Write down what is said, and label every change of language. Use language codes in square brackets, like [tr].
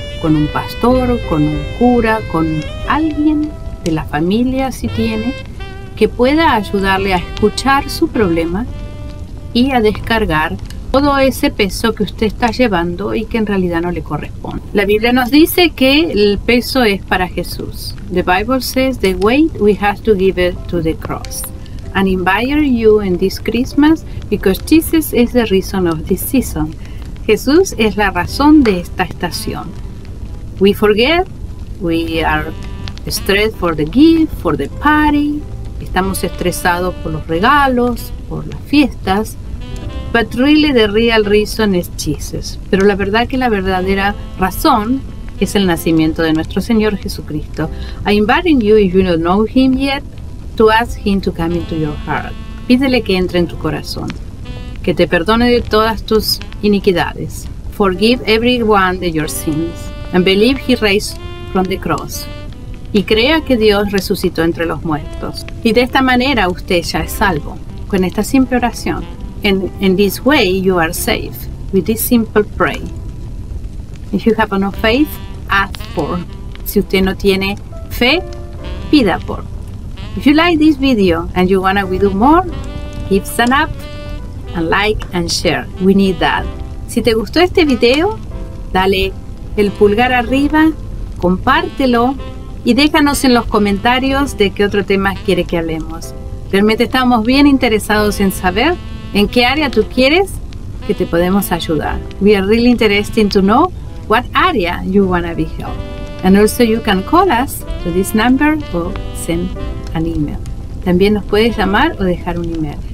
[es] con un pastor, con un cura, con alguien de la familia, si tiene, que pueda ayudarle a escuchar su problema y a descargar todo ese peso que usted está llevando y que en realidad no le corresponde. La Biblia nos dice que el peso es para Jesús. [en] The Bible says the weight we have to give it to the cross. And invite you in this Christmas because Jesus is the reason of this season. [es] Jesús es la razón de esta estación. [en] We forget, we are stressed for the gift, for the party. [es] Estamos estresados por los regalos, por las fiestas. [en] But really the real reason is Jesus. [es] Pero la verdad que la verdadera razón es el nacimiento de nuestro Señor Jesucristo. [en] I invite you, if you don't know him yet, to ask him to come into your heart. [es] Pídele que entre en tu corazón, que te perdone de todas tus iniquidades. [en] Forgive everyone of your sins and believe he raised from the cross. [es] Y crea que Dios resucitó entre los muertos. Y de esta manera usted ya es salvo, con esta simple oración. [en] In this way you are safe, with this simple prayer. If you have no faith, ask for. [es] Si usted no tiene fe, pida por. [en] If you like this video and you wanna we do more, give thumb up and like and share. We need that. [es] Si te gustó este video, dale el pulgar arriba, compártelo y déjanos en los comentarios de qué otro tema quiere que hablemos. Realmente estamos bien interesados en saber en qué área tú quieres que te podemos ayudar. [en] We are really interested to know what area you wanna be helped. And also you can call us to this number or send an email. [es] También nos puedes llamar o dejar un email.